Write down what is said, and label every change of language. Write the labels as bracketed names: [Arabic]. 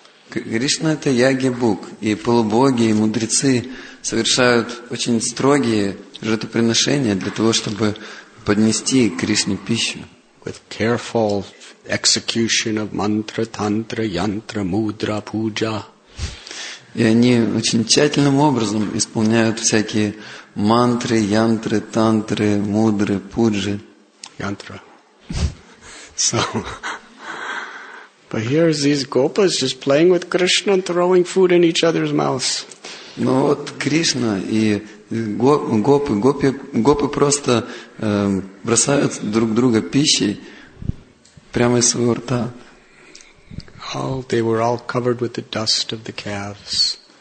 [Russian] Кришна — это Ягья-бог, и полубоги, и мудрецы совершают очень строгие жертвоприношения для того, чтобы поднести Кришне пищу. [English] With careful execution of mantra, tantra, yantra, mudra, puja. [Russian] И они очень тщательным образом исполняют всякие мантры, янтры, тантры, мудры, пуджи. Янтра. [English] So, but here is these gopas just playing with Krishna and throwing food in each other's mouths. [Russian] Ну вот Кришна и гопы, гопы просто бросают друг друга пищей прямо из своего рта. [English] All, they were all covered with the dust of the calves.